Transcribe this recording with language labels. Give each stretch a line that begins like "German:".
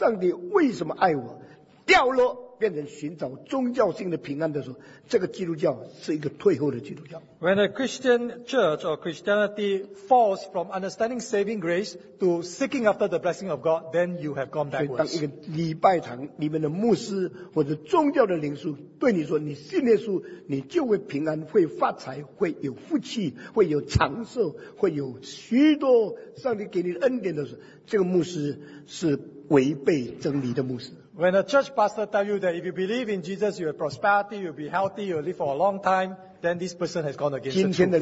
Chinese: 当一个基督教的教会从寻求救赎的恩典，明白上帝为什么爱我，掉落。变成寻找宗教性的平安的时候，这个基督教是一个退后的基督教。
English: When a Christian church or Christianity falls from understanding saving grace to seeking after the blessing of God, then you have gone backwards.
Chinese: 所以当一个礼拜堂里面的牧师或者宗教的领袖对你说：“你信耶稣，你就会平安、会发财、会有福气、会有长寿、会有许多上帝给你恩典的时候，这个牧师是违背真理的牧师。”
English: When a church pastor tells you that if you believe in Jesus, you have prosperity, you will be healthy, you will live for a long time, then this person has gone against the truth.